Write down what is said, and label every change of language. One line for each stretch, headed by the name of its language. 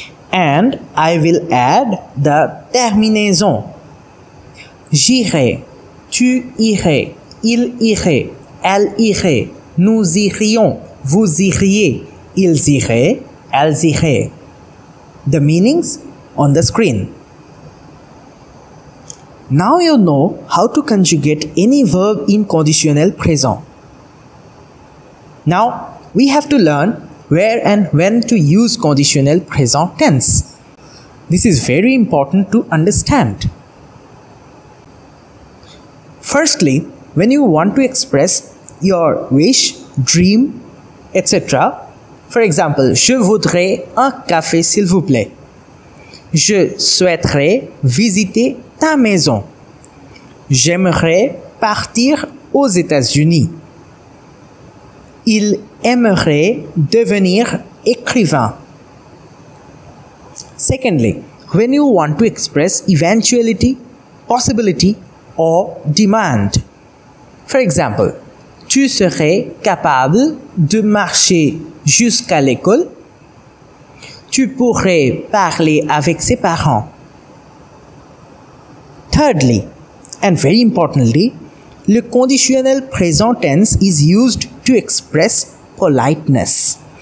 English: And I will add the terminaison.
French: J'irai. Tu irais, il irait, elle irait, nous irions, vous iriez, ils iraient, elles iraient.
English: The meanings on the screen. Now you know how to conjugate any verb in conditionnel present. Now we have to learn where and when to use conditionnel present tense. This is very important to understand. Firstly, when you want to express your wish, dream, etc. For example,
French: je voudrais un café s'il vous plaît. Je souhaiterais visiter ta maison. J'aimerais partir aux États-Unis. Il aimerait devenir écrivain.
English: Secondly, when you want to express eventuality, possibility, or demand. For example,
French: tu serais capable de marcher jusqu'à l'école? Tu pourrais parler avec ses parents.
English: Thirdly, and very importantly, le conditionnel present tense is used to express politeness.